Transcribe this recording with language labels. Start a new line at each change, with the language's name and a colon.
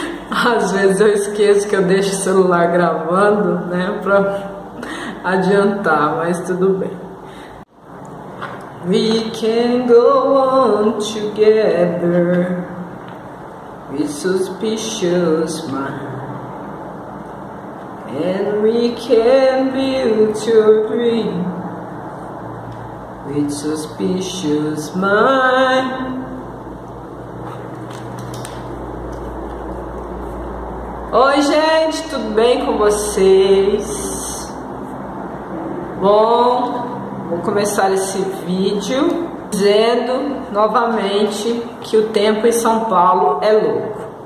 Portuguese: Às vezes eu esqueço que eu deixo o celular gravando, né, para adiantar, mas tudo bem.
English: We can go on together with suspicious mind, and we can build your dream with suspicious mind.
Portuguese: Oi, gente, tudo bem com vocês? Bom, vou começar esse vídeo dizendo novamente que o tempo em São Paulo é louco.